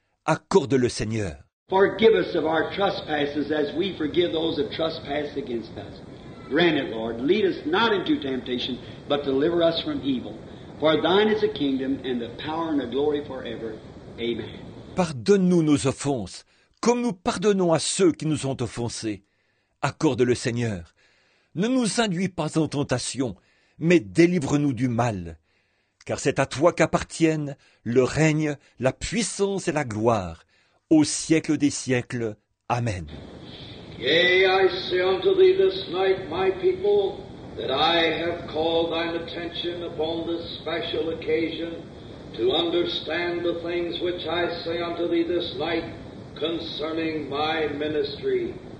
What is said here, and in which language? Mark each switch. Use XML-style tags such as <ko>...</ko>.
<fr>Accorde-le, Seigneur.</fr> <en>Forgive us of our trespasses as we forgive those that trespass against us. Grant it, Lord. Lead us not into temptation, but deliver us from evil. For thine is the kingdom and the power and the glory forever. Amen.</en> <fr>Pardonne-nous nos offenses, comme nous pardonnons à ceux qui nous ont offensés. Accorde-le, Seigneur. Ne nous induis pas en tentation, mais délivre-nous du mal. Car c'est à toi qu'appartiennent le règne, la puissance et la gloire, au siècle des siècles. Amen.</fr> <en>Yea, I say unto thee this night, my people, that I have called thine attention upon this special occasion to understand the things which I say unto thee this night concerning my ministry.</en>